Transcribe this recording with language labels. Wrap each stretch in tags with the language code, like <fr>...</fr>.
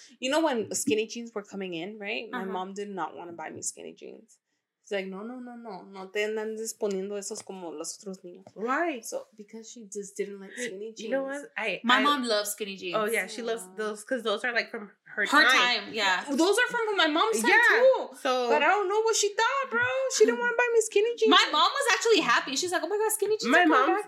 <en>You know when skinny jeans were coming in, right? Uh-huh. My mom did not want to buy me skinny jeans. She's like, no.</en> <es>No te andan disponiendo esos como los otros niños.</es> <en>Why? So, because she just didn't like skinny jeans. You know what? My mom loves skinny jeans. Oh, yeah. She loves those because those are like from her time. Yeah. Those are from my mom's side, yeah, too. So, but I don't know what she thought, bro. She didn't want to buy me skinny jeans. My mom was actually happy. She's like, oh my God, skinny jeans.</en>